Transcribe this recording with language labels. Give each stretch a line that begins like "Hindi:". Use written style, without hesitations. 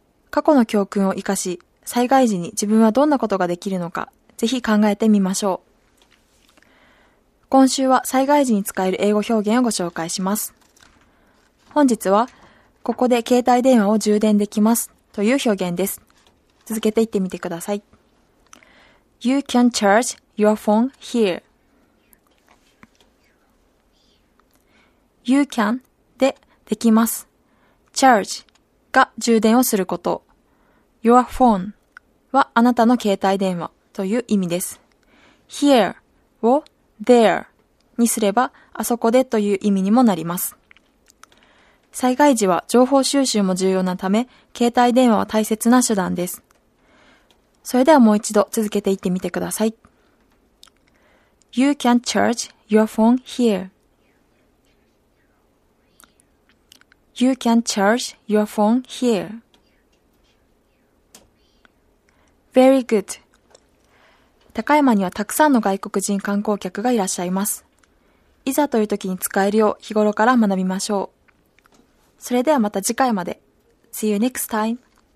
Japanese: 過去の教訓を活かし、災害時に自分はどんなことができるのか、ぜひ考えてみましょう。今週は災害時に使える英語表現をご紹介します。本日は、ここで携帯電話を充電できますという表現です。続けていってみてください。
English: You can charge your phone here. You can
Japanese: でできます。charge が充電をすること。
English: your phone
Japanese: はあなたの携帯電話という意味です。 here を there にすればあそこでという意味にもなります。災害時は情報収集も重要なため、携帯電話は大切な手段です。それではもう一度続けていってみてください。
English: You can charge your phone here. You can charge your phone here. Very good.
Japanese: 高山にはたくさんの外国人観光客がいらっしゃいます。いざという時に使えるよう日頃から学びましょう。それではまた次回まで。
English: See you next time.